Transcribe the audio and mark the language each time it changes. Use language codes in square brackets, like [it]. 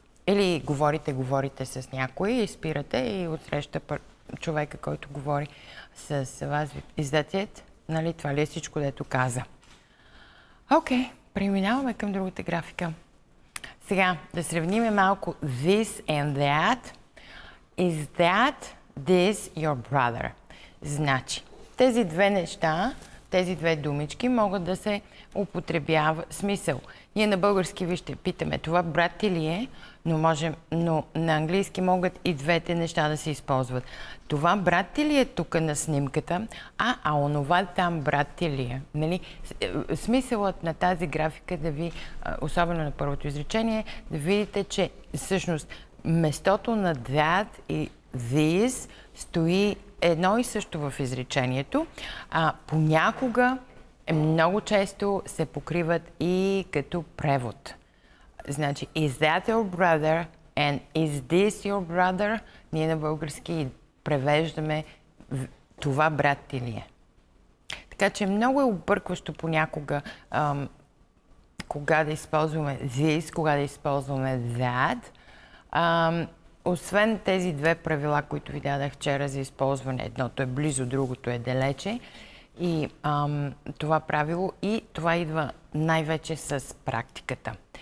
[bg] Или говорите с някой и спирате и отсреща човека, който говори с вас. [en] Is that it? [bg] Нали, това ли е всичко, дето каза? Окей, преминаваме към другата графика. Сега, да сравниме малко this and that. [en] Is that this your brother? [bg] Значи, тези две неща, тези две думички могат да се употребява смисъл. Ние на български, вижте, питаме това брат ти ли е, но можем, но на английски могат и двете неща да се използват. Това брат ти ли е тук на снимката, а онова там брат ти ли е? Нали? Смисълът на тази графика да ви, особено на първото изречение, да видите, че всъщност местото на that и this стои едно и също в изречението, а понякога много често се покриват и като превод. Значи, [en] is that your brother and is this your brother? [bg] Ние на български превеждаме това брат ти ли е. Така че много е объркващо понякога кога да използваме this, кога да използваме that. Освен тези две правила, които ви дадах вчера за използване, едното е близо, другото е далече, и това правило, и това идва най-вече с практиката.